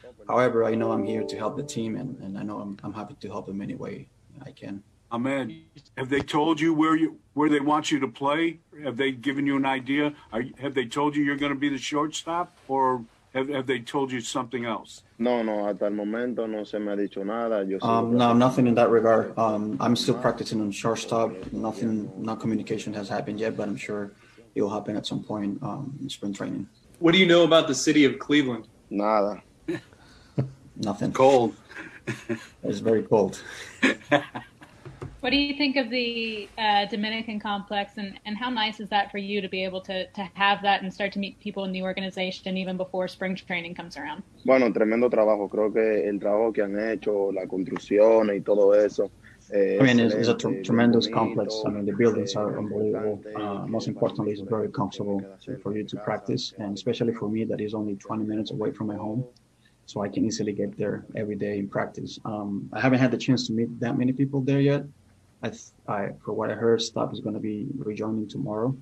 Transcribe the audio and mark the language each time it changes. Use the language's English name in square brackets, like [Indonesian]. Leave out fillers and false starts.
[English] However, I know I'm here to help the team, and I know I'm happy to help them any way I can. Ahmed, have they told you where they want you to play? Have they given you an idea? Have they told you you're going to be the shortstop, or have they told you something else? [Spanish] No, hasta el momento no se me ha dicho nada. [English] No, nothing in that regard. I'm still practicing on shortstop. Nothing, no communication has happened yet, but I'm sure it will happen at some point in spring training. What do you know about the city of Cleveland? [Spanish] Nada. [English] Nothing. Cold. It's very cold. What do you think of the Dominican complex and how nice is that for you to be able to have that and start to meet people in the organization even before spring training comes around? [Spanish] Bueno, tremendo trabajo. Creo que el trabajo que han hecho, la construcción y todo eso. [English] I mean, it's a tremendous complex. I mean, the buildings are unbelievable. Most importantly, it's very comfortable for you to practice, and especially for me that is only 20 minutes away from my home. So I can easily get there every day in practice. I haven't had the chance to meet that many people there yet. For what I heard, Stop is going to be rejoining tomorrow.